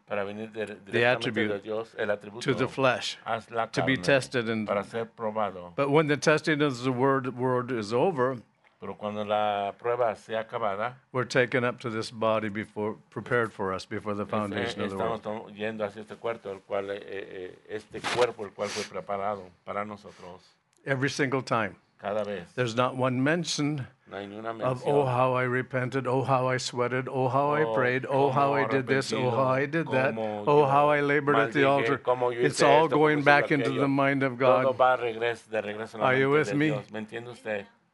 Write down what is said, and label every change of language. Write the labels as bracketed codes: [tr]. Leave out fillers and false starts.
[es] para venir de, [en] the attribute, [es] de Dios, el atributo, [en] to the flesh, [es] la carne, [en] to be tested. And, [es] para ser probado. [en] But when the testing of the word is over, [es] pero cuando la prueba sea acabada, [en] we're taken up to this body before prepared for us before the foundation [es] estamos [en] of the world. [es] Estamos yendo hacia este cuerpo, el cual este cuerpo el cual fue preparado para nosotros. [en] Every single time. [es] Cada vez. [en] There's not one mention [es] no hay ninguna mención [en] of oh how I repented, oh how I sweated, oh how I prayed, oh how I did this, oh how I did that, oh how I labored at the altar. It's all going back into the mind of God. [es] Todo va de regreso en la [en] are you with [es] Dios? Me? ¿Me entiende usted?